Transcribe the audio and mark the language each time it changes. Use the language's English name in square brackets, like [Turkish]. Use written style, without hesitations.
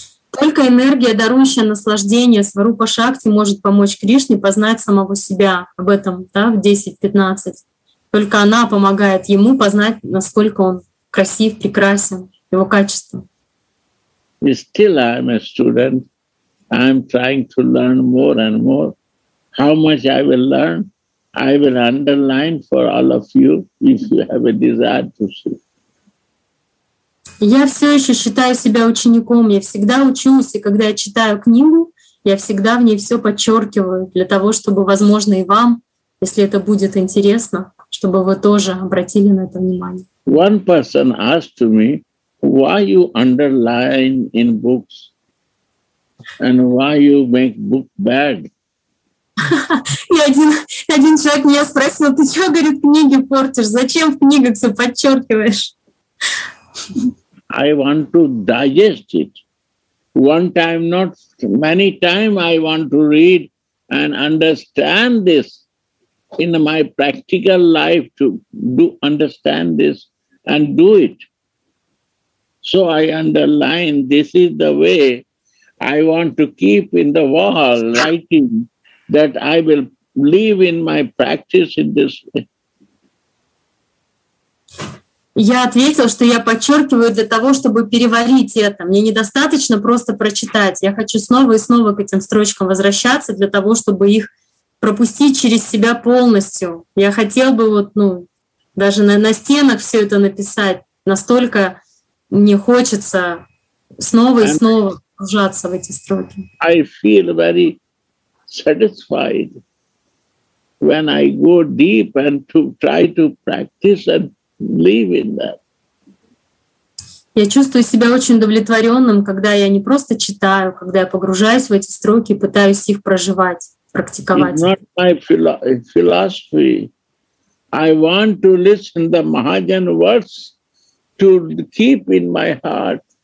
[Russian] Только энергия, дарующая наслаждение, Сварупа Шакти, может помочь Кришне познать самого себя. Об этом, да, в 10:15. Только она помогает ему познать, насколько он красив, прекрасен, его качество. [English] Still I am a student. I am trying to learn more and more. How much I will learn, I will underline for all of you if you have a desire to see. [Russian] Я все еще считаю себя учеником. Я всегда учусь, и когда я читаю книгу, я всегда в ней все подчеркиваю для того, чтобы, возможно, и вам, если это будет интересно, чтобы вы тоже обратили на это внимание. [English] One person asked me, why you underline in books and why you make book bad? [Russian] И один человек меня спросил, ты что, говорит, книги портишь? Зачем в книгах все подчеркиваешь? [English] I want to digest it. One time, not many time, I want to read and understand this in my practical life to do understand this and do it. So I underline, this is the way I want to keep in the wall, writing, that I will live in my practice in this way. [Russian] Я ответил, что я подчеркиваю для того, чтобы переварить это. Мне недостаточно просто прочитать. Я хочу снова и снова к этим строчкам возвращаться для того, чтобы их пропустить через себя полностью. Я хотел бы вот, ну, даже на стенах все это написать. Настолько мне хочется снова и снова погружаться в эти строки. [English] I feel very satisfied when I go deep and to try to practice and live in that. [Russian] Я чувствую себя очень удовлетворенным, когда я не просто читаю, когда я погружаюсь в эти строки и пытаюсь их проживать, практиковать. [English] It's not my philosophy. I want to listen the Mahajan words to keep in my heart.